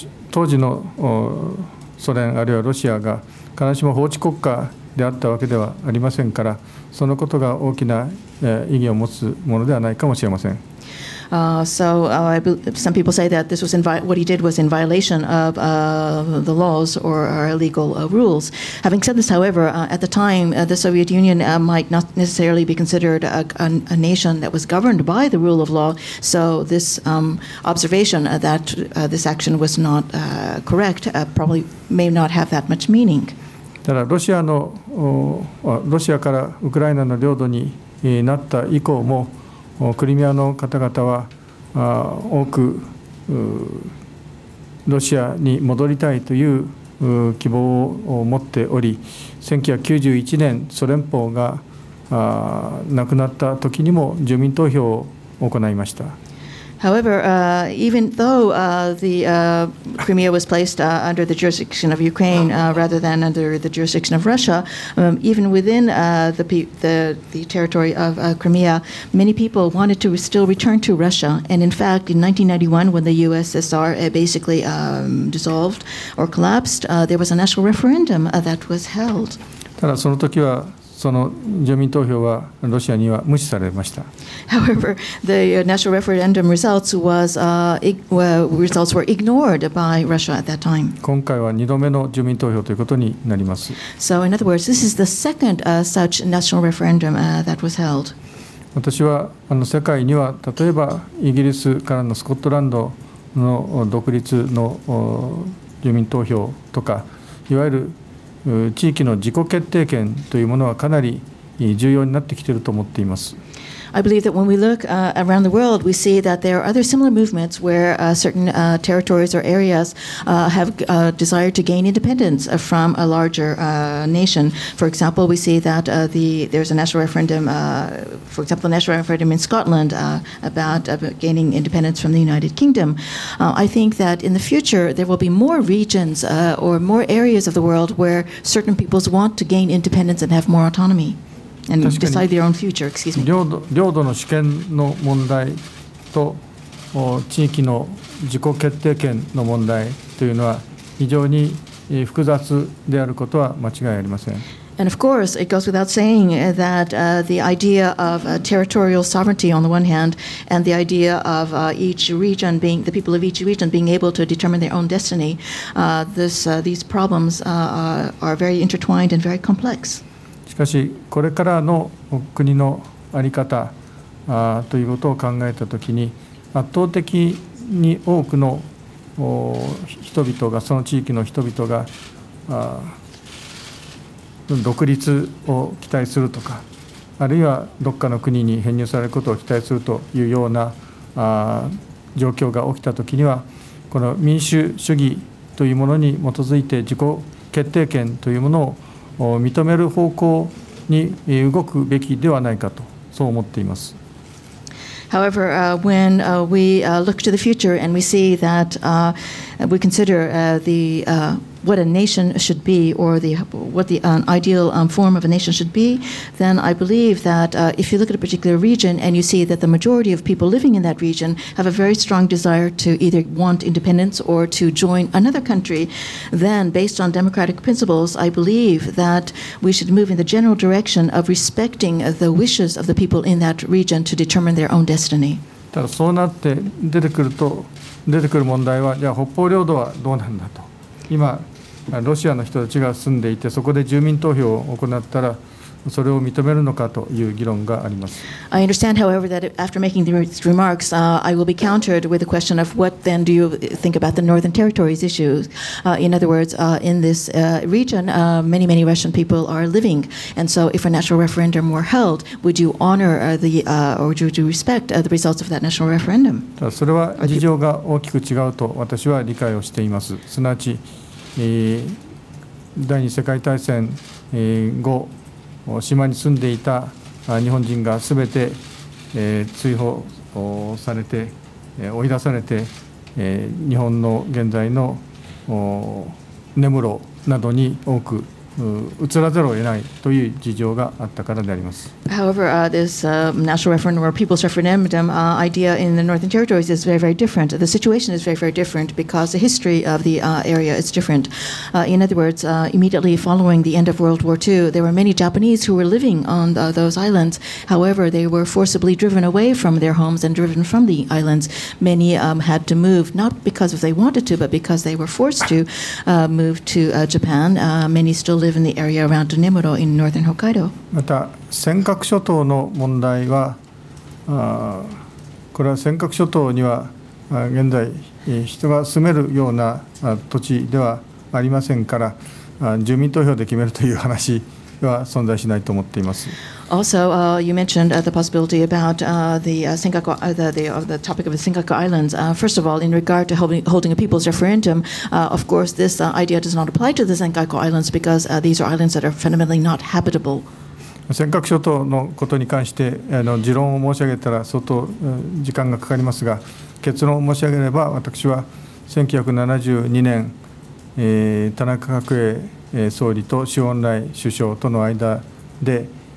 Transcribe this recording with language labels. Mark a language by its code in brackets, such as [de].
[ja] 当時のソ連あるいはロシアが必ずしも法治国家であったわけではありませんから、そのことが大きな意義を持つものではないかもしれません。 [en] Some people say that this was what he did was in violation of the laws or illegal rules. Having said this, however, at the time, the Soviet Union might not necessarily be considered a nation that was governed by the rule of law. So this observation that this action was not correct probably may not have that much meaning. [ja] ただロシアからウクライナの領土になった以降もクリミアの方々は多くロシアに戻りたいという希望を持っており、1991年ソ連邦が亡くなった時にも住民投票を行いました。 [en] However, even though the Crimea was placed under the jurisdiction of Ukraine rather than under the jurisdiction of Russia, even within the territory of Crimea, many people wanted to still return to Russia. And in fact, in 1991, when the USSR basically dissolved or collapsed, there was a national referendum that was held. [ja] ただその時はその住民投票はロシアには無視されました。 [en] However, the national referendum results were ignored by Russia at that time. [ja] 今回は2度目の住民投票ということになります。 [en] So in other words, this is the second such national referendum that was held. [ja] 私は世界には例えばイギリスからのスコットランドの独立の住民投票とか、いわゆる地域の自己決定権というものはかなり重要になってきていると思っています。 [en] I believe that when we look around the world, we see that there are other similar movements where certain territories or areas have desired to gain independence from a larger nation. For example, we see that there's a national referendum, for example, the national referendum in Scotland about gaining independence from the United Kingdom. I think that in the future, there will be more regions or more areas of the world where certain peoples want to gain independence and have more autonomy. And decide their own future, excuse me. [ja] 領土の主権の問題と地域の自己決定権の問題というのは非常に複雑であることは間違いありません。 [en] And of course, it goes without saying that the idea of territorial sovereignty on the one hand, and the idea of each region being, the people of each region being able to determine their own destiny, these problems are very intertwined and very complex. [ja] しかしこれからの国の在り方ということを考えたときに圧倒的に多くの人々がその地域の人々が独立を期待するとかあるいはどっかの国に編入されることを期待するというような状況が起きたときにはこの民主主義というものに基づいて自己決定権というものを認める方向に動くべきではないかとそう思っています。 [en] However, when we look to the future and we see that we consider what a nation should be or what the ideal form of a nation should be, then I believe that if you look at a particular region and you see that the majority of people living in that region have a very strong desire to either want independence or to join another country, then based on democratic principles, I believe that we should move in the general direction of respecting the wishes of the people in that region to determine their own destiny. [ja] ただそうなって出てくる問題はじゃあ北方領土はどうなんだと。今ロシアの人たちが住んでいてそこで住民投票を行ったらそれを認めるのかという議論があります。 [en] I understand, however, that after making these remarks, I will be countered with the question of what then do you think about the Northern Territories issues? In other words, in this region, many, many Russian people are living. And so if a national referendum were held, would you honor or would you respect the results of that national referendum? [ja] それは事情が大きく違うと私は理解をしています。すなわち、第二次世界大戦後、島に住んでいた日本人がすべて追放されて追い出されて日本の現在の根室などに多く移らざるを得ないという事情があったからであります。 [en] However, this national referendum or people's referendum idea in the Northern Territories is very, very different. The situation is very, very different because the history of the area is different. In other words, immediately following the end of World War II, there were many Japanese who were living on those islands. However, they were forcibly driven away from their homes and driven from the islands. Many had to move, not because they wanted to, but because they were forced to move to Japan. Many still live in the area around Nemuro in northern Hokkaido. [ja] また尖閣諸島の問題はこれは尖閣諸島には現在人が住めるような土地ではありませんから住民投票で決めるという話は存在しないと思っています。 [en] Also, you mentioned the possibility about the topic of the Senkaku Islands. First of all, in regard to holding a people's referendum, of course, this idea does not apply to the Senkaku Islands because these are islands that are fundamentally not habitable. [ja] 尖閣諸島のことに関して持論を申し上げたら相当時間がかかりますが、結論を申し上げれば、私は1972年、田中角栄総理と周恩来首相との間で、